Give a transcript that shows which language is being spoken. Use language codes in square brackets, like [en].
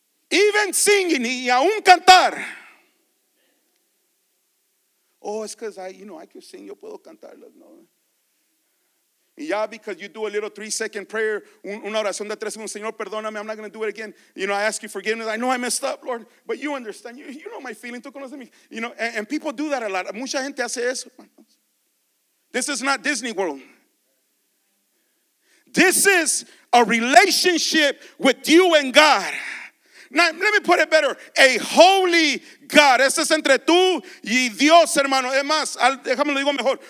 [en] Even singing, [es] y aún cantar. [en] Oh, it's because I can sing, [es] yo puedo cantar. [en] No. Yeah, because you do a little 3-second prayer, [es] una oración de tres segundos, Señor, perdóname, [en] I'm not going to do it again. You know, I ask you forgiveness. I know I messed up, Lord, but you understand. You know my feeling, [es] tú conoces mi. [en] You know, and people do that a lot. [es] Mucha gente hace eso. [en] This is not Disney World. This is a relationship with you and God. Now, let me put it better. A holy God. [es] Ese es entre tú y Dios, hermano. Es más, déjame lo digo mejor.